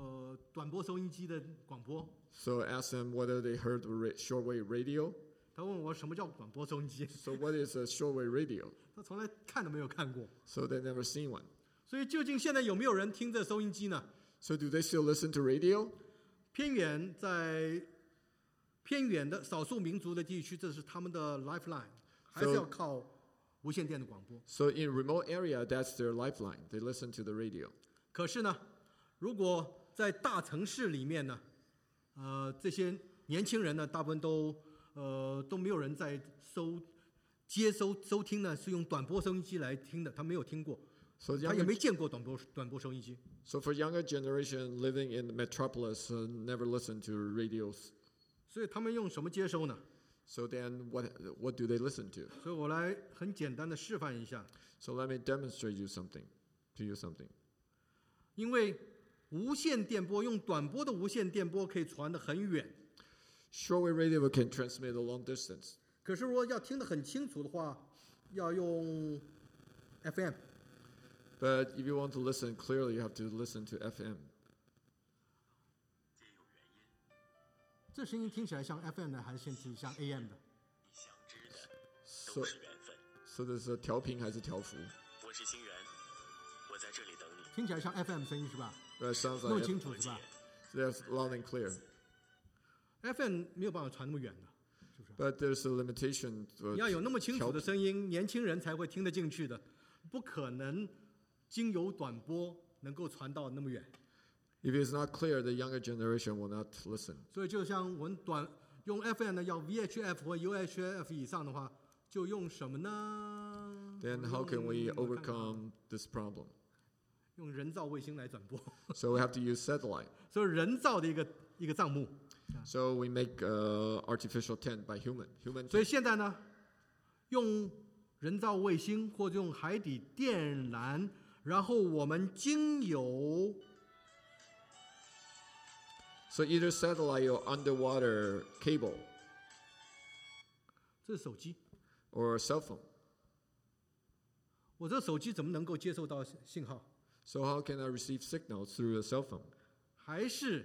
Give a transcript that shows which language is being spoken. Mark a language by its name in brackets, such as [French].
[Chinese] 我说有没有听过短波收音机的广播？ [English] So ask them whether they heard shortwave radio. [Chinese] 他问我什么叫广播收音机？ [English] So what is a shortwave radio? [Chinese] 他从来看都没有看过。 [English] So they never seen one. [Chinese] 所以究竟现在有没有人听这收音机呢？ [English] So do they still listen to radio? [Chinese] 偏远的少数民族的地区， 这是他们的lifeline， 还是要靠无线电的广播。 [English] So in remote area, that's their lifeline. They listen to the radio. [Chinese] 可是呢， 如果在大城市里面呢， 这些年轻人呢， 大部分都 都没有人在收听呢，是用短波收音机来听的，他没有听过，他也没见过短波收音机。 [English] So for younger generation living in the metropolis, never listen to radios. [Chinese] 所以他们用什么接收呢？ [English] So then what do they listen to? [Chinese] 所以我来很简单的示范一下。 [English] So let me demonstrate you something, to you something. [Chinese] 因为无线电波，用短波的无线电波可以传得很远。 [English] Shortwave radio can transmit a long distance. [Chinese] 可是如果要听得很清楚的话， 要用FM。 [English] But if you want to listen clearly, you have to listen to FM. [Chinese] 这声音听起来像FM的还是像AM的？ [English] So this is a [Chinese] 调频还是调幅？我是星源，我在这里等你。听起来像FM声音是吧？ [English] That sounds like [Chinese] 弄清楚是吧？ [English] That's loud and clear. [Chinese] FM 没有办法传那么远的，是不是？ [English] But there's a limitation. [Chinese] 你要有那么清楚的声音，年轻人才会听得进去的，不可能经由短波能够传到那么远。If [English] it's not clear, the younger generation will not listen. [Chinese] 所以就像我们短用 FM 呢，要 VHF 或 UHF 以上的话，就用什么呢? [English] Then how can we overcome this problem? [Chinese] 用人造卫星来转播。 [English] So we have to use satellite. [Chinese] 所以人造的一个帐幕。 [English] So we make an artificial tent by human. Human tent. [Chinese] 所以现在呢, 用人造卫星或者用海底电缆, 然后我们经由 [English] So either satellite or underwater cable. [Chinese] 这是手机。 [English] Or a cell phone. [Chinese] 我这手机怎么能够接受到信号? [English] So how can I receive signals through a cell phone?